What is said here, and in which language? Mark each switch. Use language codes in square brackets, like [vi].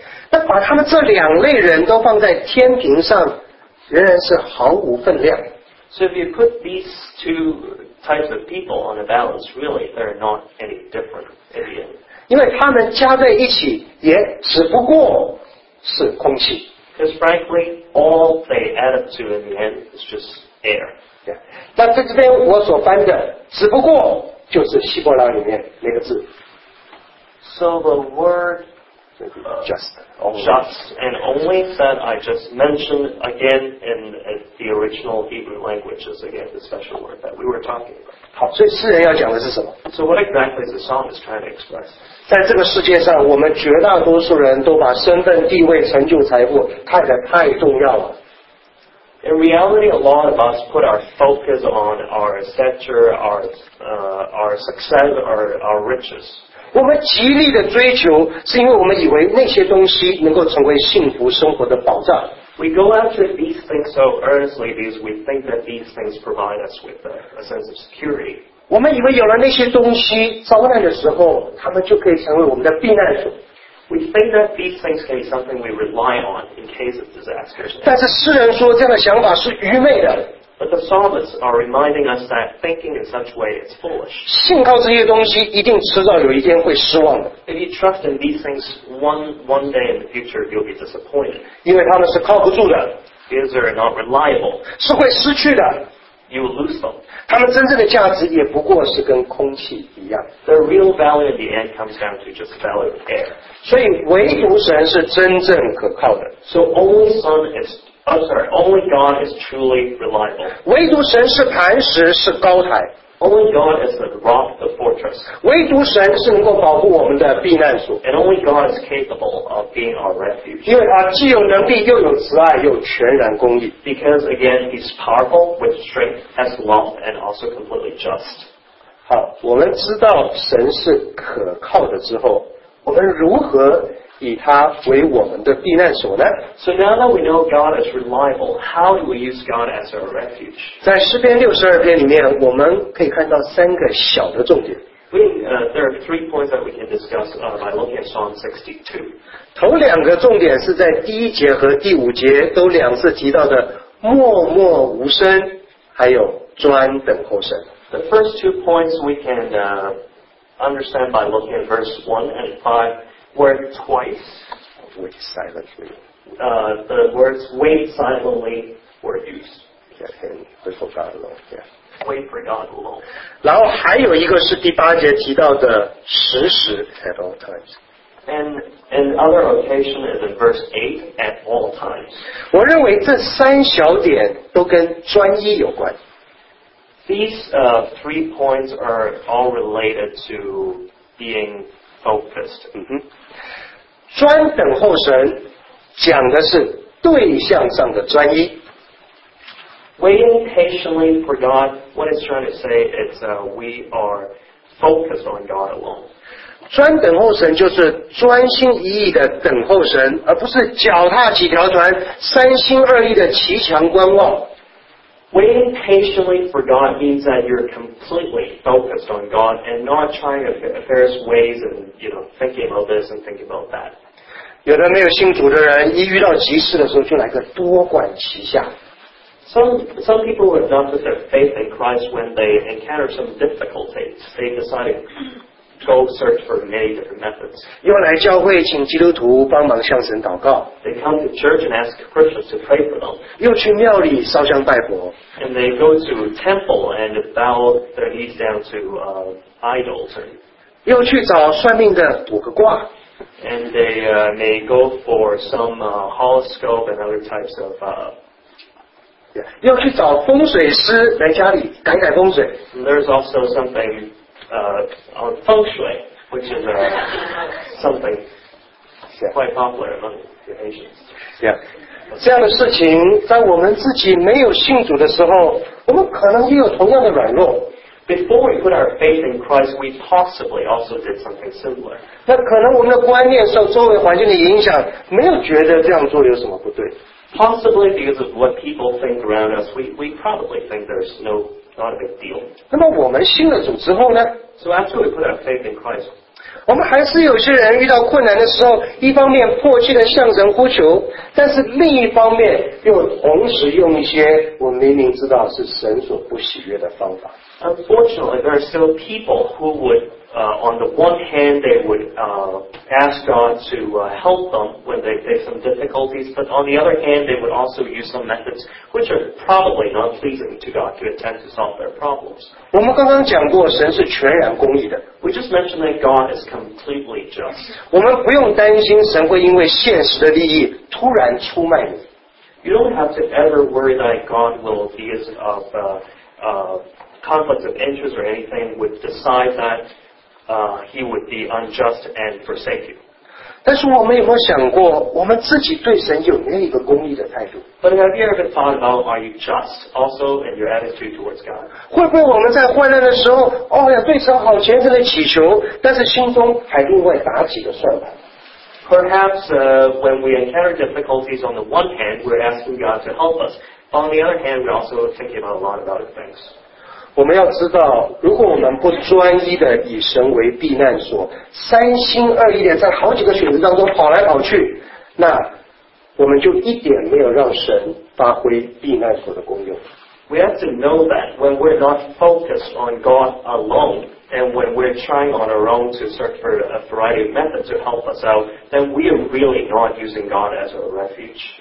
[zh] 那把他们这两类人都放在天平上，仍然是毫无分量。 [en] So if you put these two types of people on a balance, really, they're not any different in the end. [zh] 因为他们加在一起也只不过是空气。 [en] Because frankly, all they add up to in the end is just... Air. [zh] Yeah. 那在这边我所翻的只不过就是希伯来里面那个字。 [en] So the word just and only that I just mentioned again in the original Hebrew language is again the special word that we were talking about. [zh] 好，所以诗人要讲的是什么 [en] ？So what exactly is the psalmist trying to express? [zh] 在这个世界上，我们绝大多数人都把身份、地位、成就、财富看得太重要了。 [en] In reality, a lot of us put our focus on our stature, our success, our riches. [zh] 我们极力的追求，是因为我们以为那些东西能够成为幸福生活的保障。 [en] We go after these things so earnestly because we think that these things provide us with a sense of security. [zh] 我们以为有了那些东西，遭难的时候，他们就可以成为我们的避难所。 [en] We think that these things can be something we rely on in case of disaster. [zh] 但是诗人说这样的想法是愚昧的。 [en] But the psalmists are reminding us that thinking in such a way is foolish. [zh] 信靠这些东西，一定迟早有一天会失望的。 [en] If you trust in these things, one day in the future, you'll be disappointed. [zh] 因为他们是靠不住的。 [en] These are not reliable. [zh] 是会失去的。 [en] You will lose them. [zh] 他们真正的价值也不过是跟空气一样。 [en] Their real value in the end comes down to just value of air. [zh] 所以唯独神是真正可靠的。 [en] So only sun is... Only God is truly reliable. [zh] 唯独神是磐石，是高台。 [en] Only God is the rock, the fortress. [zh] 唯独神是能够保护我们的避难所。 [en] And only God is capable of being our refuge. [zh] 因为他既有能力，又有慈爱，又全然公义。 [en] Because again, He's powerful with strength, has love, and also completely just. [zh] 好，我们知道神是可靠的之后，我们如何？以他为我们的避难所呢 [en] So now that we know God is reliable, how do we use God as our refuge? [zh] 在诗篇六十二篇里面，我们可以看到三个小的重点。 [en] There are three points that we can discuss by looking at Psalm 62. [zh] 头两个重点是在第一节和第五节都两次提到的默默无声，还有专等候神。 [en] The first two points we can understand by looking at verse 1 and 5. Word twice. Wait silently. The words wait silently were used. Yeah, and wait for God alone. Yeah. Wait for God alone. [zh] 然后还有一个是第八节提到的时时 [en] at all times. And another occasion is in verse 8 at all times. [zh] 我认为这三小点都跟专一有关。 [en] These three points are all related to being... Focused. [zh] 专等候神讲的是对象上的专一。 [en] Waiting patiently for God, what it's trying to say is we are focused on God alone. [zh] 专等候神就是专心一意的等候神，而不是脚踏几条船，三心二意的骑墙观望。 [en] Waiting patiently for God means that you're completely focused on God and not trying to various ways and you know, thinking about this and thinking about that. [zh] 有的没有信主的人一遇到急事的时候就来个多管齐下。 [en] Some people who adopted their faith in Christ when they encounter some difficulties, they decide to go search for many different methods. [zh] 又来教会请基督徒帮忙向神祷告。 [en] They come to church and ask Christians to pray for them. [zh] 又去庙里烧香拜佛。 [en] And they go to temple and bow their knees down to idols. [zh] 又去找算命的卜个卦。 [en] And they may go for some horoscope and other types of... [zh] 又去找风水师来家里改改风水。 [en] And there's also something... on feng shui, which is something quite popular among the Asians. Yeah. [zh] 这样的事情在我们自己没有信主的时候，我们可能也有同样的软弱。 [en] Before we put our faith in Christ, we possibly also did something similar. [zh] 那可能我们的观念受周围环境的影响，没有觉得这样做有什么不对。 [en] Possibly because of what people think around us, we probably think there's no... Not a big deal. [zh] 那么我们信了主之后呢 [en] ？So after we put our faith in Christ, [zh] 我们还是有些人遇到困难的时候，一方面迫切的向神呼求，但是另一方面又同时用一些我明明知道是神所不喜悦的方法。 [en] Unfortunately, there are still people who would, on the one hand, they would ask God to help them when they face some difficulties, but on the other hand, they would also use some methods which are probably not pleasing to God to attempt to solve their problems. [zh] 我们刚刚讲过，神是全然公义的。 [en] We just mentioned that God is completely just. [zh] 我们不用担心神会因为现实的利益突然出卖你。 [en] You don't have to ever worry that God will be as of conflict of interest or anything would decide that he would be unjust and forsake you. [zh] 但是我们有没有想过我们自己对神有那个公义的态度？ [en] But have you ever thought about are you just also in your attitude towards God? [zh] 会不会我们在患难的时候哦呀对神好虔诚的祈求，但是心中还另外打几个算盘？ [en] Perhaps when we encounter difficulties, on the one hand, we're asking God to help us. On the other hand, we're also thinking about a lot of other things. [zh] 我们要知道，如果我们不专一的以神为避难所，三心二意的在好几个选择当中跑来跑去，那我们就一点没有让神发挥避难所的功用。 [en] We have to know that when we're not focused on God alone. And when we're trying on our own to search for a variety of methods to help us out, then we are really not using God as our refuge.